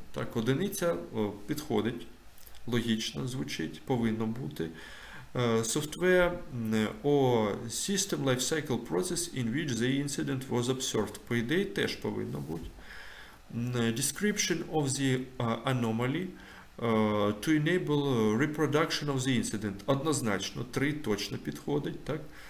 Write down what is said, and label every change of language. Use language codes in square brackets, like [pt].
[uk] Так, одиниця підходить, логічно звучить, повинно бути. [en] Software or system lifecycle process in which the incident was observed. [uk] По ідеї, теж повинно бути. [en] Description of the anomaly to enable reproduction of the incident. [uk] Однозначно, 3 точно підходить, так?